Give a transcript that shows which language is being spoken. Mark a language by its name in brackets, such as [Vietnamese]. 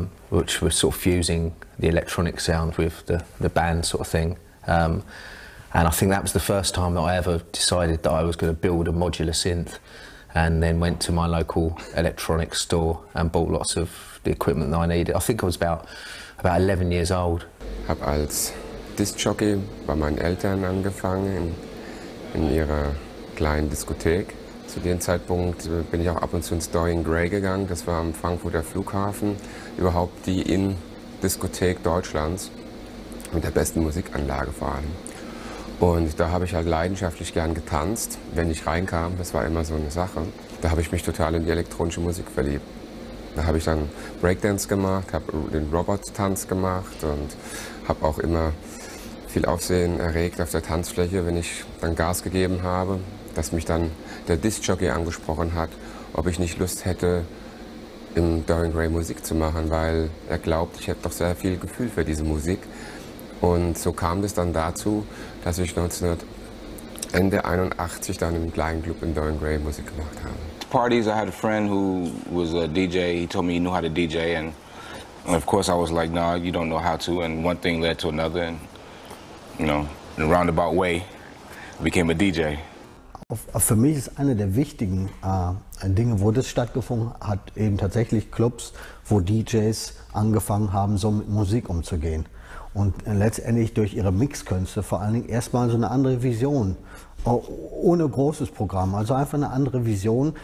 [English] which was sort of fusing the electronic sound with the band sort of thing. And I think that was the first time that I ever decided that I was going to build a modular synth, and then went to my local electronics store and bought lots of the equipment that I needed. I think I was about 11 years old. [German] Hab als Disc Jockey bei meinen Eltern angefangen in ihrer kleinen Diskothek. Zu dem Zeitpunkt bin ich auch ab und zu ins Dorian Gray gegangen. Das war am Frankfurter Flughafen überhaupt die Innendiskothek Deutschlands mit der besten Musikanlage vor allem. Und da habe ich halt leidenschaftlich gern getanzt, wenn ich reinkam. Das war immer so eine Sache. Da habe ich mich total in die elektronische Musik verliebt. Da habe ich dann Breakdance gemacht, habe den Robot-Tanz gemacht und habe auch immer viel Aufsehen erregt auf der Tanzfläche, wenn ich dann Gas gegeben habe, dass mich dann der Disc-Jockey angesprochen hat, ob ich nicht Lust hätte, im Dorian Gray Musik zu machen, weil er glaubt, ich hätte doch sehr viel Gefühl für diese Musik. Und so kam es dann dazu, dass ich Ende 81 dann im kleinen Club in Dorian Gray Musik gemacht habe. [English] Parties, I had a friend who was a DJ. He told me he knew how to DJ, and of course I was like, nah, you don't know how to. And one thing led to another, and you know, in a roundabout way, I became a DJ. [German] Für mich ist eine der wichtigen Dinge, wo das stattgefunden hat, eben tatsächlich Clubs, wo DJs angefangen haben, so mit Musik umzugehen. Und letztendlich durch ihre Mixkünste vor allen Dingen erstmal so eine andere Vision, ohne großes Programm, also einfach eine andere Vision.